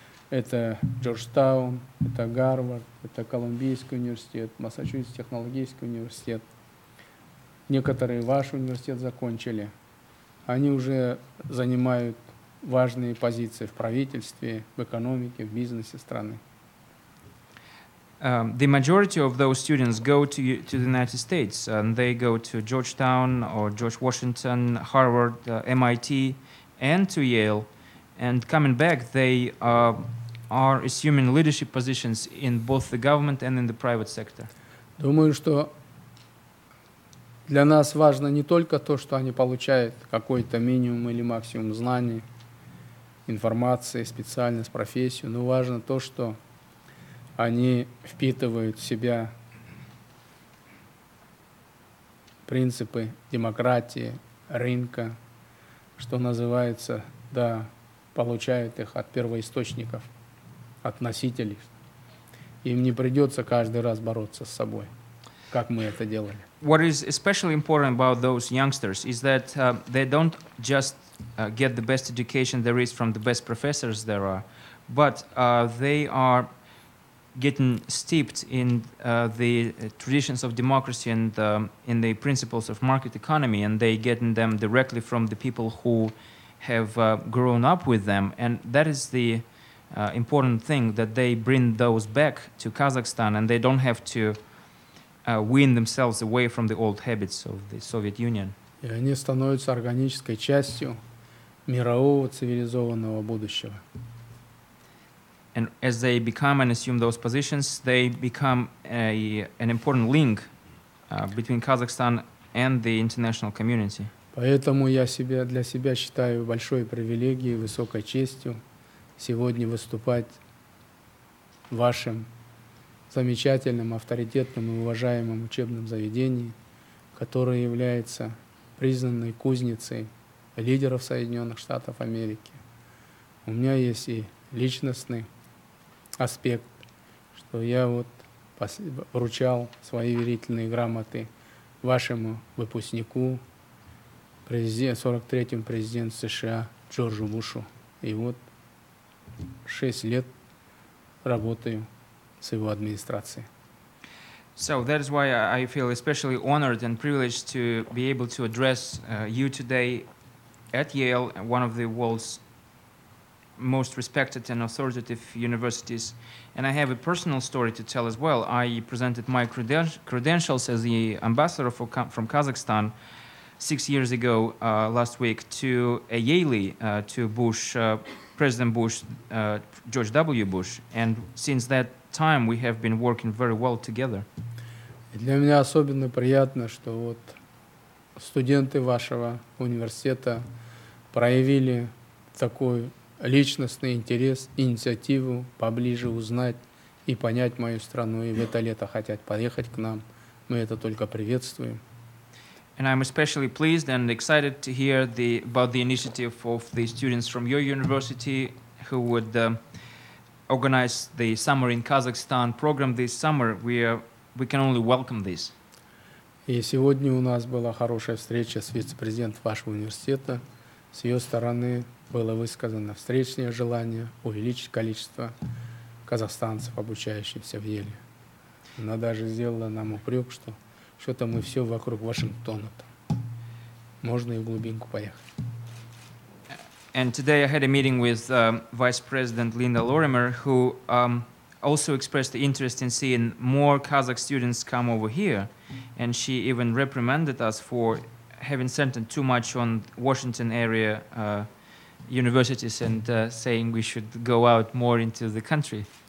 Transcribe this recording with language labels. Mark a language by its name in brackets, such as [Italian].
[Russian] Это Джорджтаун, это Гарвард, это Колумбийский университет, Массачусетский технологический университет. Некоторые ваш университет закончили. Они уже занимают важные позиции в правительстве, в экономике, в бизнесе страны. [English] The majority of those students go to the United States, and they go to Georgetown or George Washington, Harvard, MIT, and to Yale. And coming back, they are assuming leadership positions in both the government and in the private sector. [Russian] Думаю, что для нас важно не только то, что они получают какой-то минимум или максимум знаний, информации, специальность, профессию, но важно то, что они впитывают в себя принципы демократии, рынка, что называется, да, получают их от первоисточников, от носителей. Им не придется каждый раз бороться с собой, как мы это делали. [English] What is especially important about those youngsters is that they don't just get the best education there is from the best professors there are, but they are getting steeped in the traditions of democracy and in the principles of market economy, and they getting them directly from the people who have grown up with them. And that is the important thing, that they bring those back to Kazakhstan, and they don't have to wean themselves away from the old habits of the Soviet Union. [Russian] И они становятся органической частью мирового цивилизованного будущего. [English] And as they become and assume those positions, they become an important link between Kazakhstan and the international community. [Russian] Поэтому я себя для себя считаю большой привилегией, высокой честью сегодня выступать в вашем замечательном, авторитетном и уважаемом учебном заведении, которое является признанной кузницей лидеров Соединенных Штатов Америки. У меня есть и личностный аспект, что я вот вручал свои верительные грамоты вашему выпускнику, 43-му президенту США Джорджу Бушу. И вот 6 лет работаю с его администрацией. [English] So that is why I feel especially honored and privileged to be able to address you today at Yale, one of the world's most respected and authoritative universities. And I have a personal story to tell as well. I presented my credentials as the ambassador from Kazakhstan 6 years ago last week to a Yale, to Bush, President Bush, George W. Bush. And since that time, we have been working very well together. [Russian] Для меня особенно приятно, что вот студенты вашего университета проявили такой личностный интерес, инициативу поближе узнать и понять мою страну, и в это лето хотят поехать к нам. Мы это только приветствуем. [English] And I'm especially pleased and excited to hear about the initiative of the students from your university who would organize the summer in Kazakhstan program this summer. We can only welcome this. [Russian] И сегодня у нас была хорошая встреча с вице-президентом вашего университета, с ее стороны было высказано встречное желание увеличить количество казахстанцев, обучающихся в Йеле. Она даже сделала нам упрек, что что-то мы все вокруг Вашингтона. Можно и в глубинку поехать. [English] And today I had a meeting with Vice President Linda Lorimer, who also expressed the interest in seeing more Kazakh students come over here. And she even reprimanded us for having centered too much on Washington area universities and saying we should go out more into the country.